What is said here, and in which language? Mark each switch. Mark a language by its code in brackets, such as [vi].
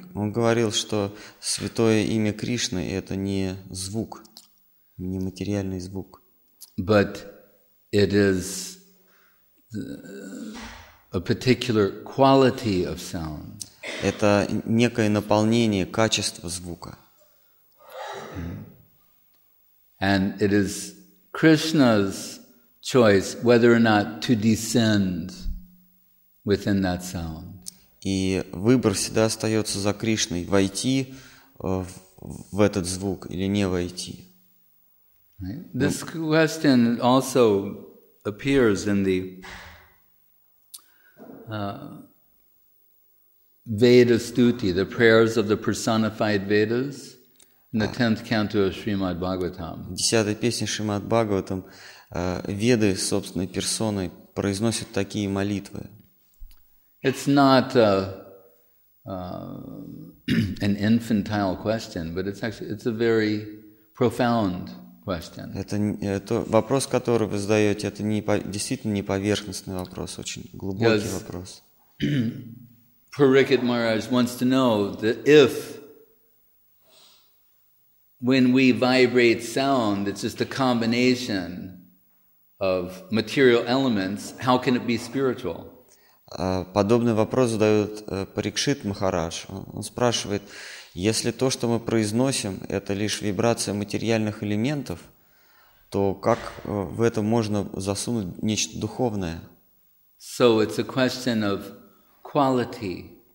[ru] Он говорил, что святое имя Кришны — это не звук, не материальный звук. [en] But it is a particular quality of sound. [ru] Это некое наполнение, качество звука. [en] And it is Krishna's choice whether or not to descend within that sound. [ru] И выбор всегда остается за Кришной, войти в этот звук или не войти. [en] This question also appears in the Veda Stuti, the prayers of the personified Vedas, in the 10th canto of Srimad Bhagavatam. [ru] Десятая песня Шримад Бхагаватам. Веды собственной персоной произносят такие молитвы. [en] It's not an infantile question, but it's a very profound question. [ru] Это вопрос, который вы задаете, это действительно не поверхностный вопрос, очень глубокий вопрос. [en] Parikshit Maharaj wants to know that if when we vibrate sound, it's just a combination of material elements, how can it be spiritual? [ru] Подобный вопрос задает Парикшит Махарадж. Он спрашивает, если то, что мы произносим, это лишь вибрация материальных элементов, то как в этом можно засунуть нечто духовное? [en] So it's a question of quality.